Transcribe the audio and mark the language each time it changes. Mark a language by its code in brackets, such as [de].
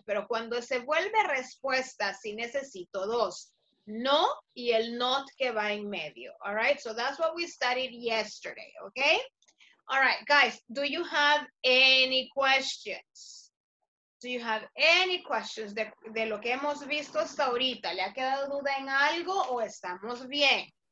[es] Pero cuando se vuelve respuesta, sí necesito dos. No y el not que va en medio. [en] All right, so that's what we studied yesterday, okay? All right, guys, do you have any questions? Do you have any questions [es] de lo que hemos visto hasta ahorita? ¿Le ha quedado duda en algo o estamos bien?